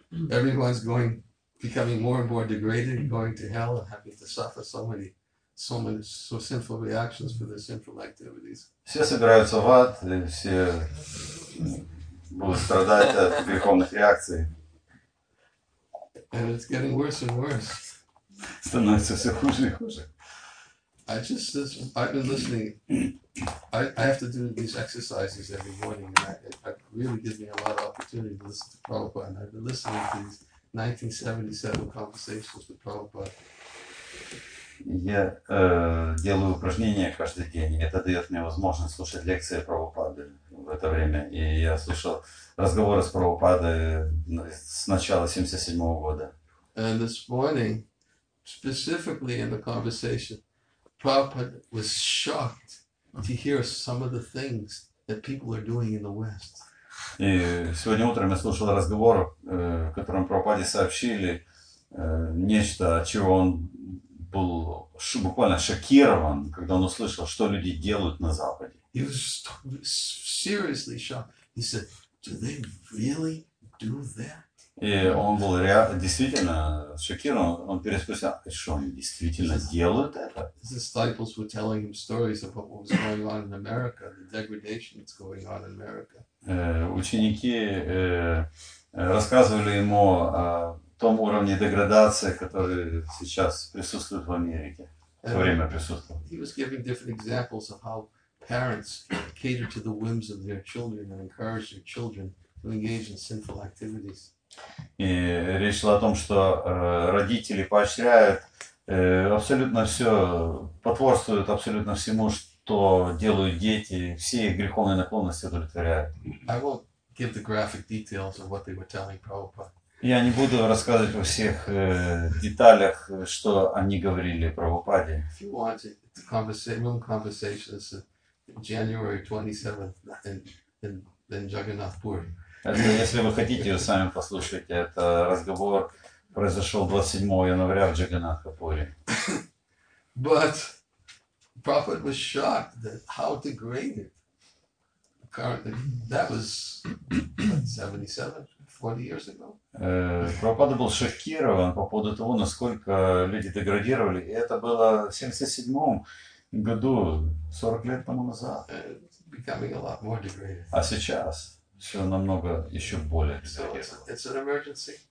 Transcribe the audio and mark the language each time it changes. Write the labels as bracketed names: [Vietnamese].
[English] Everyone's becoming more and more degraded, going to hell, and having to suffer so many sinful reactions for their sinful activities. [Russian] Все собираются в ад, и все будут страдать от греховных реакций. [English] And it's getting worse and worse. [Russian] Становится все хуже и хуже. [English] I've been listening. I have to do these exercises every morning, and it really gives me a lot of opportunity to listen to Prabhupada. And I've been listening to these 1977 conversations with Prabhupada. [Russian] Я делаю упражнения каждый день. Это дает мне возможность слушать лекции Прабхупады в это время. И я слышал разговоры с Прабхупадой с начала 77 года. [English] And this morning, specifically in the conversation, Prabhupada was shocked to hear some of the things that people are doing in the West. [Russian] И сегодня утром я слушал разговор, в котором Прабхупаде сообщили нечто, от чего он был буквально шокирован, когда он услышал, что люди делают на Западе. [English] He was seriously shocked. He said, "Do they really do that?" [Russian] И он был действительно шокирован. Он переспросил, что они действительно делают это? [English] His disciples were telling him stories about what was going on in America, the degradation that's going on in America. [Russian] Ученики рассказывали ему о том уровне деградации, который сейчас присутствует в Америке, в время присутствовал. [English] He was giving different examples of how parents cater to the whims of their children and encourage their children to engage in sinful activities. [Russian] И речь шла о том, что родители поощряют абсолютно все, потворствуют абсолютно всему, что делают дети, все их греховные наклонности удовлетворяют. [English] I won't give the graphic details of what they were telling Prabhupada. [Russian] Я не буду рассказывать во всех деталях, что они говорили про Прабхупаде. [English] If you want it, the conversation is January 27th in Jagannathpuri. [Russian] Это, если вы хотите, вы сами послушайте. Это разговор произошел 27 января в Джаганнатхапуре. [English] But Prabhupada was shocked that how degraded currently that was 77. 40 years ago. [Russian] Прабхупада был шокирован по поводу того, насколько люди деградировали. И это было в 77 году, 40 лет тому назад. [English] Becoming a lot more degraded. [Russian] А сейчас все намного еще более деградировало. [English] It's an emergency.